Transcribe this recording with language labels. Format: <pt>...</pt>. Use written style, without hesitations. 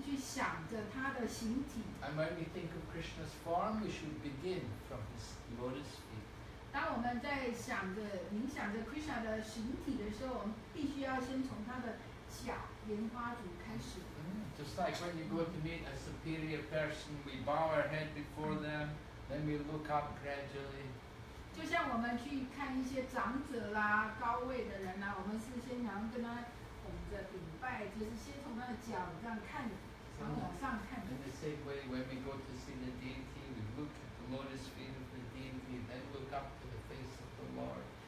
<en>And when we think of Krishna's form, we should begin from his lotus feet.</en> <zh>当我们在冥想着 Krishna 的形体的时候，我们必须要先从他的脚莲花足开始。</zh> <en>Just like when you go to meet a superior person, we bow our head before them, then we look up gradually.</en> <zh>就像我们去看一些长者啦、高位的人啦，我们是先想要跟他拱着顶拜，就是先从他的脚这样看，然后往上看。</zh> <en>In the same way, when we go to see the deity, we look at the lotus feet of the deity, then look up to the face of the Lord.</en>